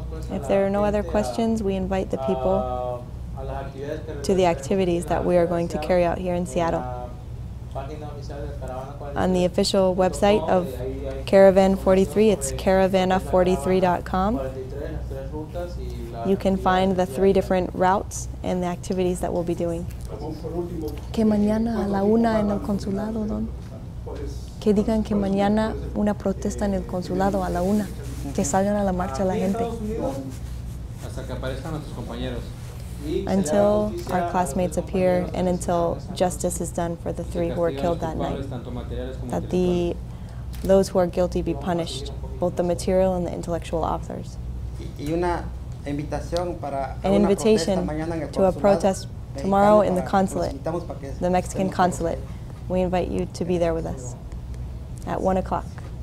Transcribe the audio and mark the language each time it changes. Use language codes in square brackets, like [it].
[en] If there are no other questions, we invite the people to the activities that we are going to carry out here in Seattle. On the official website of Caravan 43, it's caravana43.com. You can find the three different routes and the activities that we'll be doing. [es] Que mañana a la una en el consulado, don. Que digan que mañana una protesta en el consulado a la una. Que salgan a la marcha la gente. Hasta que aparezcan nuestros compañeros. [en] Until our classmates appear and until justice is done for the three who were killed that night. That those who are guilty be punished, both the material and the intellectual authors. An invitation to a protest tomorrow in the consulate, the Mexican consulate. We invite you to be there with us at 1 o'clock.